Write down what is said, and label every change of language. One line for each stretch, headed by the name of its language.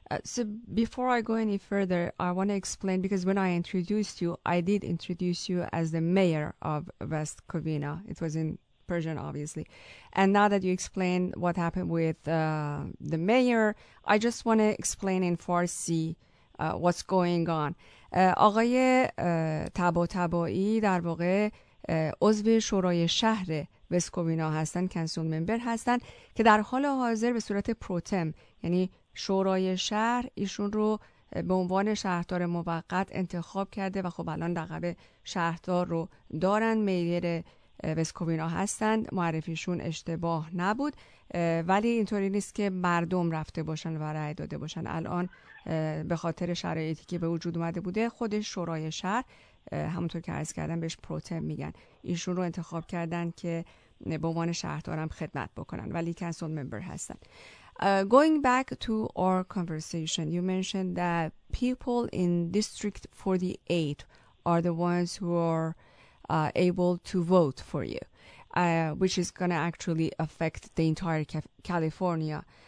English: So before I go any further, I want to explain, because when I introduced you, I did introduce you as the mayor of West Covina. It was in Persian, obviously. And now that you explain what happened with the mayor, I just want to explain in Farsi what's going on.
Persian: آقای طباطبایی در واقع عضو شورای شهر وست کووینا هستن، کانسل ممبر هستن، که در حال حاضر به صورت پروتم، یعنی شورای شهر ایشون رو به عنوان شهردار موقت انتخاب کرده و خب الان لقب شهردار رو دارن، میر وست کووینا هستن. معرفیشون اشتباه نبود، ولی اینطوری نیست که مردم رفته باشن و رأی داده باشن. الان به خاطر شرایطی که به وجود اومده بوده، خودش شورای شهر، همونطور که عرض کردم، بهش پروتم میگن، ایشون رو انتخاب کردن که به عنوان شهردارم خدمت بکنن، ولی کانسل ممبر هستن.
English: Going back to our conversation, you mentioned that people in District 48 are the ones who are able to vote for you, which is going to actually affect the entire California.